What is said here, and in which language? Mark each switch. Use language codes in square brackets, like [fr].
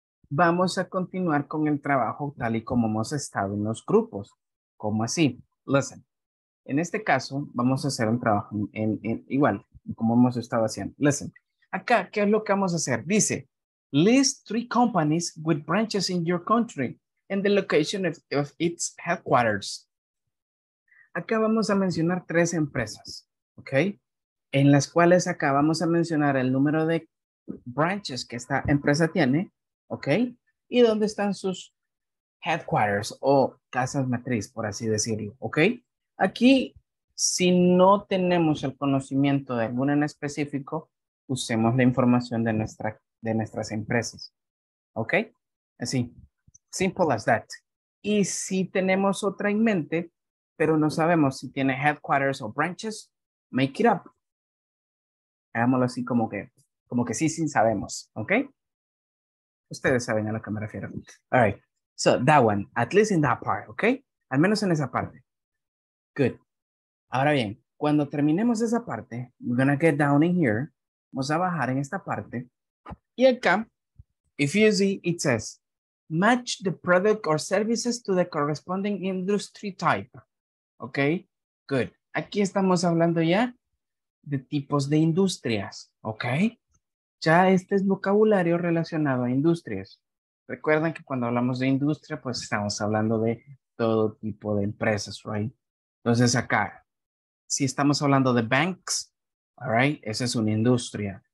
[es] Vamos a continuar con el trabajo tal y como hemos estado en los grupos. ¿Cómo así? [en] Listen. [es] En este caso, vamos a hacer un trabajo en igual, como hemos estado haciendo. [en] Listen. [es] Acá, ¿qué es lo que vamos a hacer? Dice, [en] list 3 companies with branches in your country and the location of its headquarters. [es] Acá vamos a mencionar 3 empresas, ¿ok? En las cuales acá vamos a mencionar el número de branches que esta empresa tiene, ¿ok? Y dónde están sus headquarters o casas matriz, por así decirlo, ¿ok? Aquí, si no tenemos el conocimiento de alguno en específico, usemos la información de nuestras empresas. ¿Ok? Así. [en] Simple as that. [es] Y si tenemos otra en mente, pero no sabemos si tiene headquarters o branches, [en] make it up. [es] Hagámoslo así como que sí, sabemos. ¿Ok? Ustedes saben a lo que me refiero. [en] All right. So that one, at least in that part, ¿ok? [es] Al menos en esa parte. [en] Good. [es] Ahora bien, cuando terminemos esa parte, [en] we're going to get down in here. [es] Vamos a bajar en esta parte. Y acá, [en] if you see, it says, match the product or services to the corresponding industry type. ¿Ok? Good. [es] Aquí estamos hablando ya de tipos de industrias. ¿Ok? Ya este es vocabulario relacionado a industrias. Recuerden que cuando hablamos de industria, pues estamos hablando de todo tipo de empresas, right? Entonces acá, si estamos hablando de banks, [en] all right, [es] esa es una industria.